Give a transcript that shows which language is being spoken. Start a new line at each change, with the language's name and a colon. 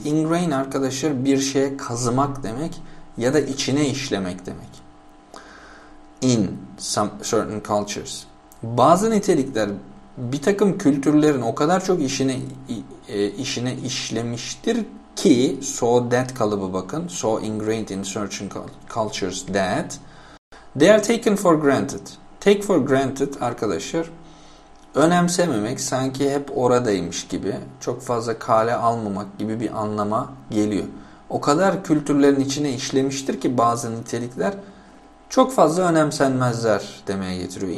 Turkish: Ingrain arkadaşlar bir şeye kazımak demek ya da içine işlemek demek.
English: In some certain cultures.
Turkish: Bazı nitelikler bir takım kültürlerin o kadar çok işine işlemiştir ki
English: so that
Turkish: kalıbı bakın,
English: so ingrained in certain cultures that they are taken for granted. Take for granted
Turkish: arkadaşlar, önemsememek, sanki hep oradaymış gibi, çok fazla kale almamak gibi bir anlama geliyor. O kadar kültürlerin içine işlemiştir ki bazı nitelikler çok fazla önemsenmezler demeye getiriyor.